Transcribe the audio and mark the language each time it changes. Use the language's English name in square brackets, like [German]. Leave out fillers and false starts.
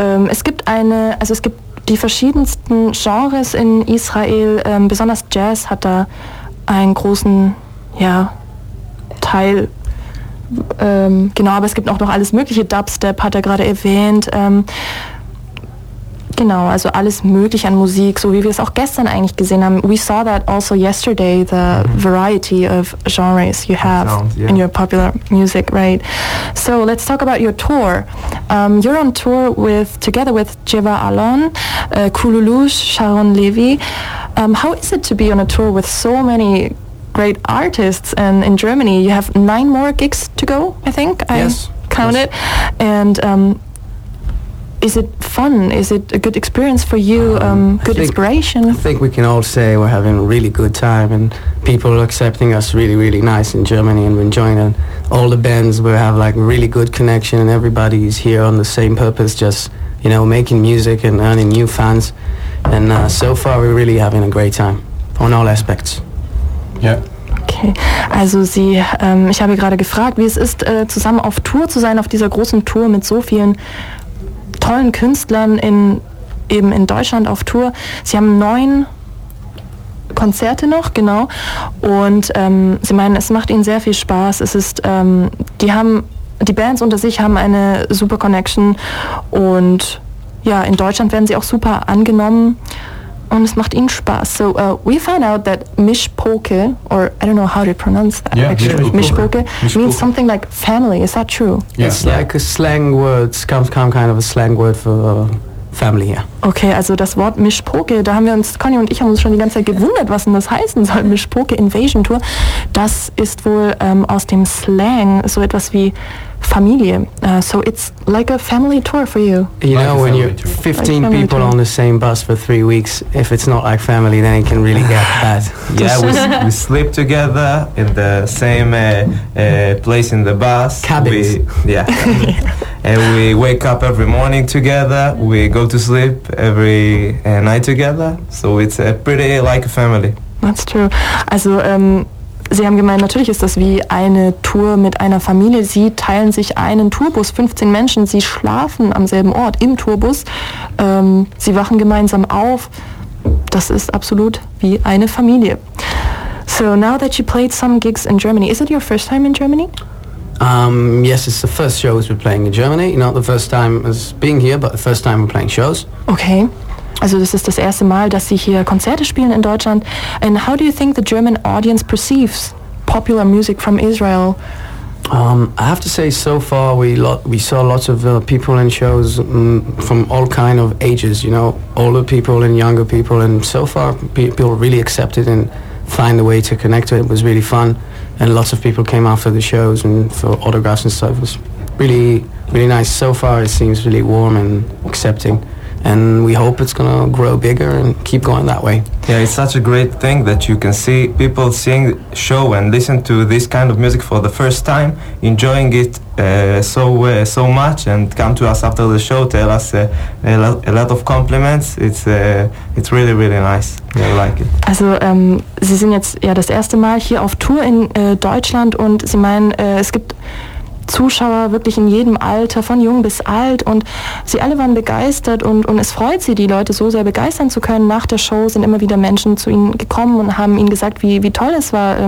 [German] Es gibt die verschiedensten Genres in Israel, besonders Jazz hat da einen großen Teil. Aber es gibt auch noch alles mögliche. Dubstep hat er gerade erwähnt. Also alles mögliche an Musik, so wie wir es auch gestern eigentlich gesehen haben. [English] We saw that also yesterday, the variety of genres you have in your popular music, right? So let's talk about your tour. You're on tour together with Jeva Alon, Kululush, Sharon Levy. How is it to be on a tour with so many great artists, and in Germany you have 9 more gigs to go, I think. Yes, I counted. And is it fun? Is it a good experience for you? Inspiration? I think we can all say we're having a really good time, and people are accepting us really, really nice in Germany, and we're enjoying it. All the bands, we have like really good connection, and everybody's here on the same purpose, just, you know, making music and earning new fans. And so far we're really having a great time on all aspects. [German] Ja. Okay, also ich habe gerade gefragt, wie es ist, zusammen auf Tour zu sein, auf dieser großen Tour mit so vielen tollen Künstlern in Deutschland auf Tour. Sie haben 9 Konzerte noch, genau, und sie meinen, es macht ihnen sehr viel Spaß. Es ist, die Bands unter sich haben eine super Connection, und ja, in Deutschland werden sie auch super angenommen. Und es macht ihnen Spaß. [English] So we found out that Mishpoke, or I don't know how to pronounce that, Mishpoke means something like family. Is that true? Yeah. It's like a slang word. It's come kind of a slang word for family. Yeah. [German] Okay, also das Wort Mishpoke, da haben wir uns, Conny und ich haben uns schon die ganze Zeit gewundert, was denn das heißen soll. Mishpoke Invasion Tour. Das ist wohl aus dem Slang so etwas wie Familie. [English] So it's like a family tour for you. You know, when you're 15 like people tour on the same bus for 3 weeks, if it's not like family, then it can really get bad. Yeah, we sleep together in the same place in the bus. Cabins. And we wake up every morning together. We go to sleep every night together. So it's pretty like a family. That's true. [German] Also, Sie haben gemeint, natürlich ist das wie eine Tour mit einer Familie. Sie teilen sich einen Tourbus, 15 Menschen. Sie schlafen am selben Ort im Tourbus. Sie wachen gemeinsam auf. Das ist absolut wie eine Familie. [English] So, now that you played some gigs in Germany, is it your first time in Germany? Yes, it's the first shows we're playing in Germany. Not the first time as being here, but the first time we're playing shows. Okay. [German] Also das ist das erste Mal, dass sie hier Konzerte spielen in Deutschland. [English] And how do you think the German audience perceives popular music from Israel? I have to say, so far we saw lots of people in shows from all kind of ages, you know, older people and younger people. And so far people really accepted and find a way to connect to it. It was really fun. And lots of people came after the shows and for autographs and stuff. It was really, really nice. So far it seems really warm and accepting. And we hope it's gonna grow bigger and keep going that way. Yeah, it's such a great thing that you can see people seeing show and listen to this kind of music for the first time, enjoying it so much, and come to us after the show, tell us a lot of compliments. It's really, really nice. Yeah, I like it. [German] Also, Sie sind jetzt ja das erste Mal hier auf Tour in Deutschland, und Sie meinen, es gibt Zuschauer wirklich in jedem Alter, von jung bis alt, und sie alle waren begeistert, und es freut sie, die Leute so sehr begeistern zu können. Nach der Show sind immer wieder Menschen zu ihnen gekommen und haben ihnen gesagt, wie toll es war.